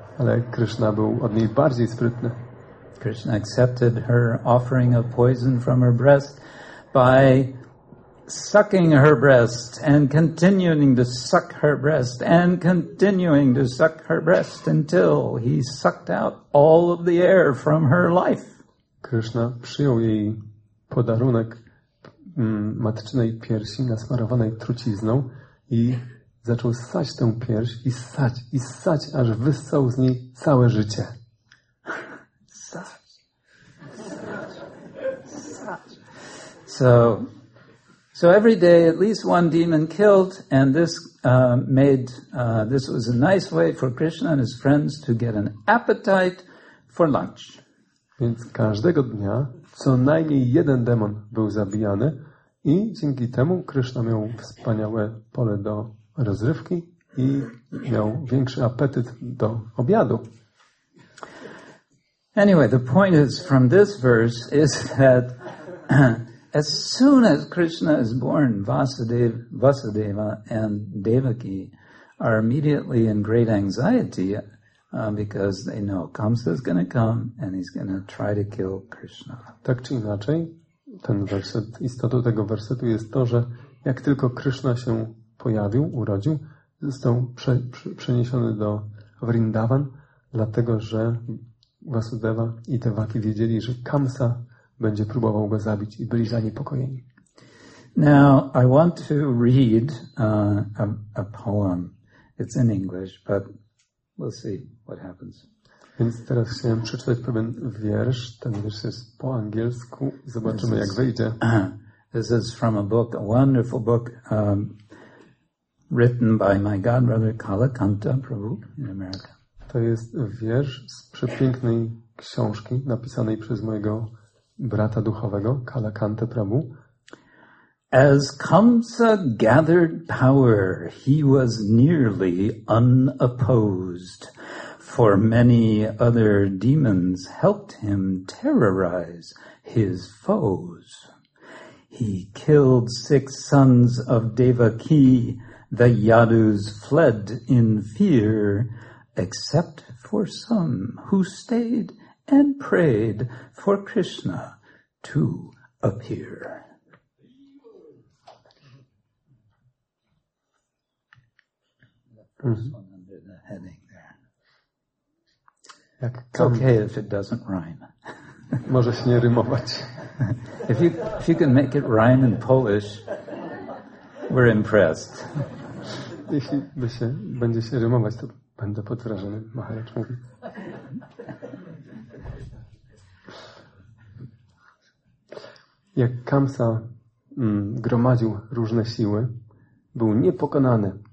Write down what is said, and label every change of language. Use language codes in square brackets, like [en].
[pl] Ale Krishna był od niej bardziej sprytny. [en] Krishna accepted her offering of poison from her breast by sucking her breast and continuing to suck her breast and continuing to suck her breast until he sucked out all of the air from her life. [pl] Krishna przyjął jej podarunek matczynej piersi nasmarowanej trucizną i zaczął ssać tę pierś i ssać, aż wyssał z niej całe życie. [en] So every day at least one demon killed, and this this was a nice way for Krishna and his friends to get an appetite for lunch. [pl] Więc każdego dnia co najmniej jeden demon był zabijany i dzięki temu Krishna miał wspaniałe pole do rozrywki i miał większy apetyt do obiadu. [en] Anyway, the point is from this verse is that as soon as Krishna is born, Vasudeva and Devaki are immediately in great anxiety because they know Kamsa is going to come and he's going to try to kill Krishna. [pl] Tak czy inaczej, ten werset, istotą tego wersetu jest to, że jak tylko Krishna się pojawił, urodził, został przeniesiony do Vrindavan, dlatego że Vasudeva i Devaki wiedzieli, że Kamsa będzie próbował go zabić i byli zaniepokojeni. [en] Now I want to read a poem It's in English, but we'll see what happens. [pl] Więc teraz chciałem przeczytać pewien wiersz. Ten wiersz jest po angielsku. Zobaczymy, jak wyjdzie. [en] This is from a book, a wonderful book, written by my godbrother Kalakanta Prabhu in America. [pl] To jest wiersz z przepięknej książki napisanej przez mojego brata duchowego, Kalakanta Prabhu. [en] As Kamsa gathered power, he was nearly unopposed, for many other demons helped him terrorize his foes. He killed six sons of Devaki. The Yadus fled in fear, except for some who stayed and prayed for Krishna to appear. It's okay if it doesn't rhyme. [pl] Może się nie rymować. [en] If you can make it rhyme in Polish, we're impressed. [pl] Jeśli będzie się rymować, to będę pod wrażeniem, Maharaj mówi. Jak Kamsa gromadził różne siły, był niepokonany.